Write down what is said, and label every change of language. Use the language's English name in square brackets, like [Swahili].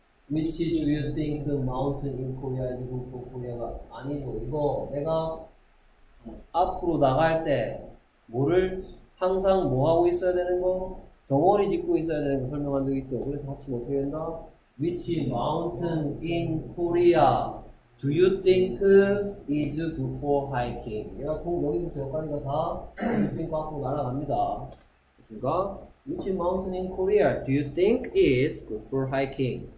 [English] Which do you think mountain in Korea is good for Korea가 [Korean] 아니죠. 이거 내가 앞으로 나갈 때 뭐를 항상 뭐하고 있어야 되는 거? 덩어리 짚고 있어야 되는 거 설명한 적 있죠. 그래서 합치면 어떻게 된다? [English] Which mountain in Korea do you think is good for hiking? [Korean] 얘가 꼭 여기부터 여기까지가 다 핑크 앞으로 날아갑니다. 됐습니까? [English] Which mountain in Korea do you think is good for hiking?